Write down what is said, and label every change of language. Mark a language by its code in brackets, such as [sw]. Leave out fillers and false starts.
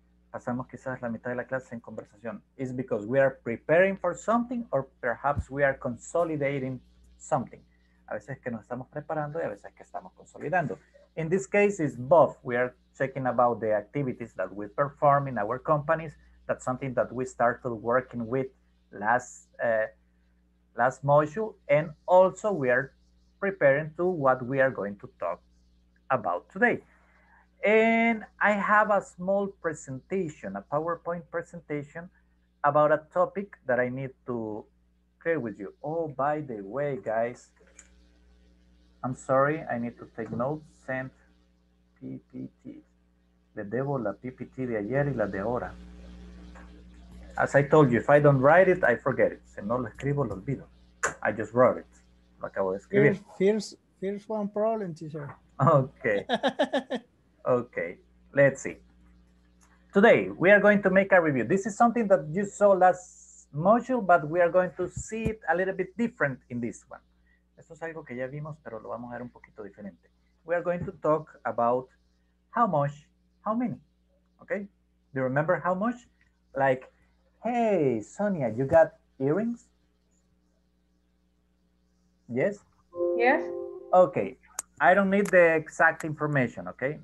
[es] Pasamos quizás la mitad de la clase en conversación. [en] It's because we are preparing for something or perhaps we are consolidating something. [es] A veces que nos estamos preparando y a veces que estamos consolidando. [en] In this case, it's both. We are checking about the activities that we perform in our companies. That's something that we started working with last module. And also we are preparing to what we are going to talk about today. And I have a small presentation, a PowerPoint presentation about a topic that I need to share with you. Oh, by the way, guys, I'm sorry, I need to take notes. Sent PPT. [es] Le debo la PPT de ayer y la de ahora. [en] As I told you, if I don't write it, I forget it. [es] Si no lo escribo, lo olvido. [en] I just wrote it. [es] Lo acabo de escribir. [en] Here's one problem, teacher. Okay. Okay. Let's see. Today, we are going to make a review. This is something that you saw last module, but we are going to see it a little bit different in this one. [es] Esto es algo que ya vimos, pero lo vamos a ver un poquito diferente. [en] We are going to talk about how much, how many, okay? Do you remember how much? Like, hey, Sonia, you got earrings? Yes? Yes. Okay, I don't need the exact information, okay?